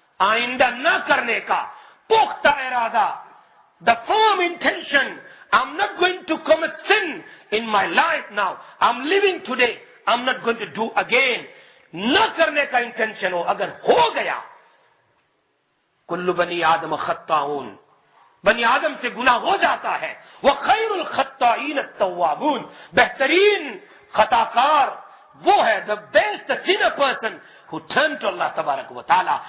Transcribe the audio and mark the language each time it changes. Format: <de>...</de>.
<ur>آئندہ نہ کرنے کا پختہ ارادہ.</ur> <en>The firm intention. I'm not going to commit sin in my life now. I'm living today. I'm not going to do again.</en> <ur>نہ کرنے کا</ur> <en>intention ہو.</en> <ur>اگر ہو گیا،</ur> <ar>کل بنی آدم خطاؤن،</ar> <ur>بنی آدم سے گناہ ہو جاتا ہے،</ur> <ar>وَخَيْرُ الْخَطَّائِينَ التَّوَّابُونَ،</ar> <ur>بہترین خطاکار وہ ہے،</ur> <en>the best sinner person who turned to</en> <ur>اللہ تبارک و تعالی.</ur>